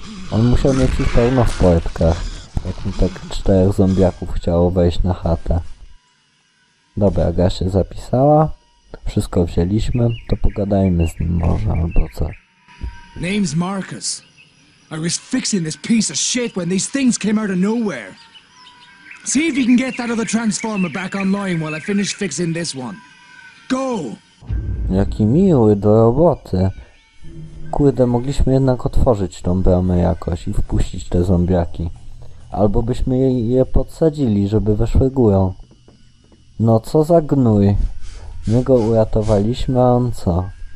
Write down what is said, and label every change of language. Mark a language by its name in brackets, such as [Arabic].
[Polish] On musiał mieć ich pełno w płetkach, jak mi tak czterech zombiaków chciało wejść na chatę. Dobra, gra się zapisała. Wszystko wzięliśmy, to pogadajmy z nim może, albo co. [English] Name's Marcus. I was fixing this piece of shit when these things came out of nowhere. See if you can get that other transformer back online while I finish fixing this one. Go! [Polish] Jaki miły, do roboty. Kurde, mogliśmy jednak otworzyć tą bramę jakoś i wpuścić te zombiaki. Albo byśmy je podsadzili, żeby weszły górą. No co za gnój. My go uratowaliśmy, a on co?